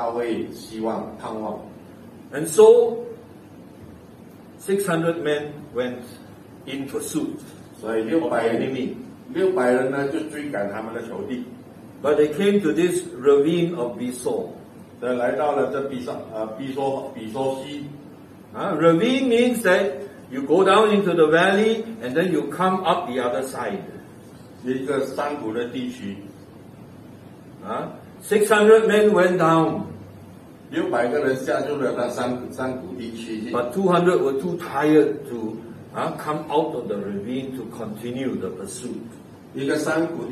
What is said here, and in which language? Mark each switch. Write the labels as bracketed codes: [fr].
[zh] 只有神的话语给大卫希望盼望。 [en] And so, 600 men went in pursuit. [zh] 所以600人呢就追赶他们的仇敌。 [en] But they came to this ravine of Besor. [zh] 来到了这比索西。 [en] Ravine means that you go down into the valley and then you come up the other side. [zh] 一个山谷的地区。 [en] 600 men went down. [zh] 600个人下住了那山谷地区。 [en] But 200 were too tired to come out of the ravine to continue the pursuit.